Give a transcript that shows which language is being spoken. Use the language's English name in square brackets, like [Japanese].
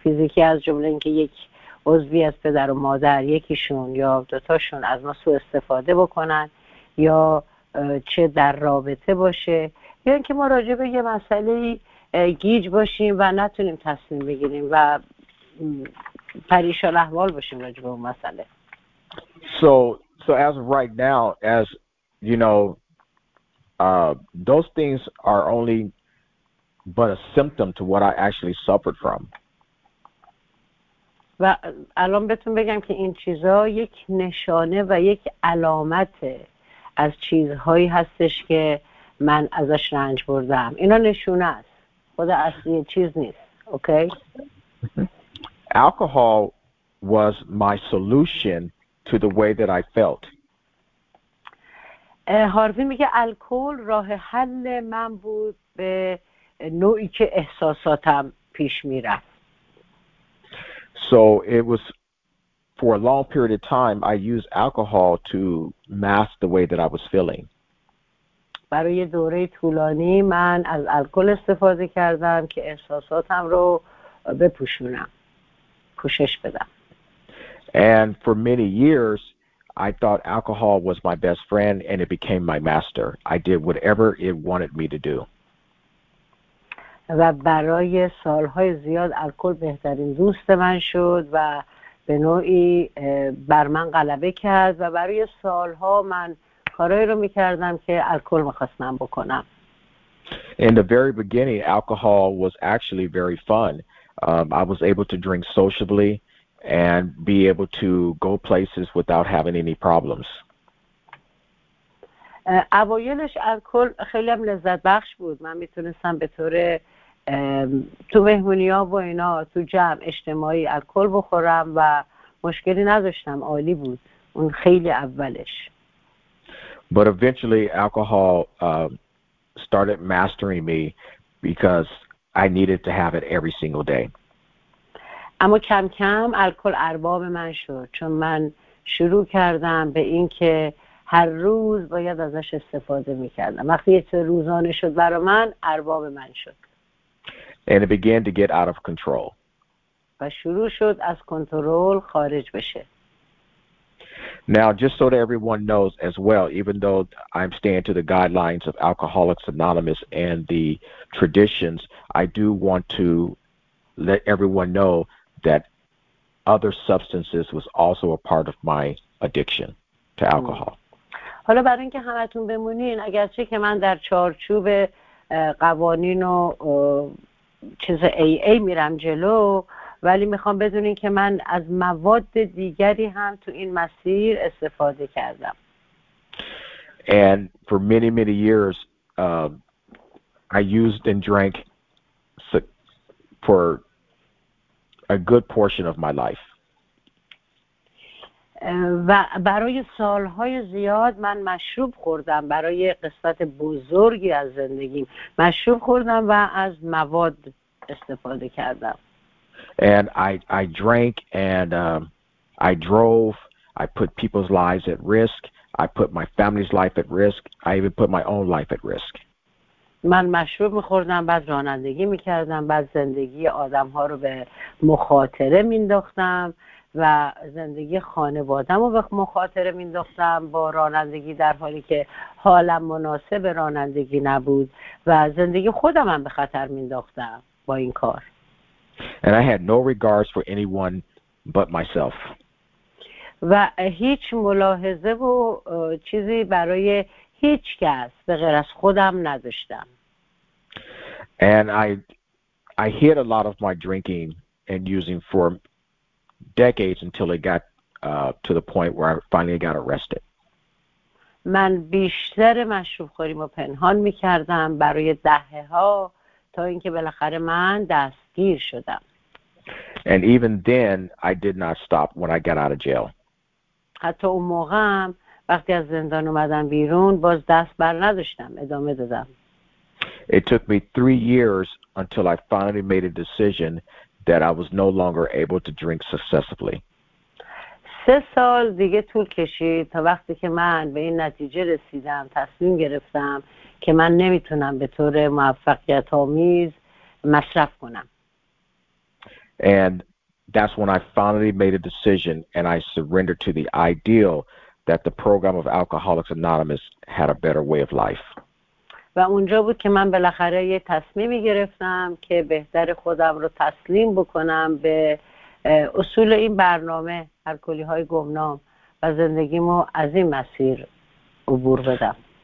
[Persian] فیزیکی از جمله اینکه یک عضوی از پدر و مادر یکیشون یا دوتاشون از ما سوء استفاده بکنن یا چه در رابطه باشه یا اینکه ما راجع به یه مسئله گیج باشیم و نتونیم تصمیم بگیریم و پریشان احوال باشیم راجع به اون مسئله. [English] So as of right now, as you know, those things are only but a symptom to what I actually suffered from. [Persian] و الان بهتون بگم که این چیزا یک نشانه و یک علامت از چیزهایی هستش که من ازش رنج بردم. اینا نشونه است. خود اصلی چیز نیست. اوکی؟ [English] Alcohol was my solution to the way that I felt. [Persian] هاروی میگه الکل راه حل من بود به نوعی که احساساتم پیش میرفت. [English] So it was for a long period of time I used alcohol to mask the way that I was feeling. [Persian] برای دوره طولانی من از الکل استفاده کردم که احساساتم رو بپوشونم. پوشش بدم. [English] And for many years I thought alcohol was my best friend and it became my master. I did whatever it wanted me to do. [Persian] و برای سالهای زیاد الکل بهترین دوست من شد و به نوعی بر من غلبه کرد و برای سالها من کارهایی رو میکردم که الکل میخواست من بکنم. [English] In the very beginning, alcohol was actually very fun. I was able to drink sociably and be able to go places without having any problems. [Persian] اوایلش الکل خیلی هم لذت بخش بود. من میتونستم به طور تو مهمونی ها و اینا تو جمع اجتماعی الکل بخورم و مشکلی نداشتم. عالی بود. اون خیلی اولش. [English] But eventually alcohol started mastering me because I needed to have it every single day. [Persian] اما کم کم الکل ارباب من شد چون من شروع کردم به این که هر روز باید ازش استفاده میکردم. وقتی یه روزانه شد برای من ارباب من شد. [English] And it began to get out of control. [Persian] و شروع شد از کنترل خارج بشه. [English] Now, just so that everyone knows as well, even though I'm staying to the guidelines of Alcoholics Anonymous and the traditions, I do want to let everyone know that other substances was also a part of my addiction to alcohol. [Persian] حالا برای اینکه همتون بمونین، اگرچه که من در چارچوب قوانین و چیز AA میرم جلو، ولی میخوام بدونین که من از مواد دیگری هم تو این مسیر استفاده کردم. [English] And for many, many years, I used and drank for a good portion of my life. [Persian] و برای سالهای زیاد من مشروب خوردم برای قسمت بزرگی از زندگیم. مشروب خوردم و از مواد استفاده کردم. [English] And I drank and I drove. I put people's lives at risk. I put my family's life at risk. I even put my own life at risk. [Persian] من مشروب می‌خوردم بعد رانندگی می‌کردم بعد زندگی آدم‌ها رو به مخاطره می‌انداختم و زندگی خانواده‌مو به مخاطره می‌انداختم با رانندگی در حالی که حالم مناسب رانندگی نبود و زندگی خودم هم به خطر می‌انداختم با این کار. [English] And I had no regards for anyone but myself. [Persian] و هیچ ملاحظه و چیزی برای هیچ کس به غیر از خودم نداشتم. [English] And I hid a lot of my drinking and using for decades until it got to the point where I finally got arrested. [Persian] من بیشتر مشروب خوریم و پنهان می کردم برای دهه ها تا اینکه بالاخره من دست شدم. [English] And even then, I did not stop when I got out of jail. [Persian] حتی اون موقع هم وقتی از زندان اومدم بیرون باز دست بر نداشتم ادامه دادم. [English] It took me 3 years until I finally made a decision that I was no longer able to drink successfully. [Persian] 3 سال دیگه طول کشید تا وقتی که من به این نتیجه رسیدم تصمیم گرفتم که من نمیتونم به طور موفقیت‌آمیز مصرف کنم. [English] And that's when I finally made a decision and I surrendered to the ideal that the program of Alcoholics Anonymous had a better way of life. [Persian] و اونجا بود که من بالاخره یه تصمیمی گرفتم که بهتر خودم رو تسلیم بکنم به اصول این برنامه الکلی‌های گمنام و زندگیمو از این مسیر عبور بدم.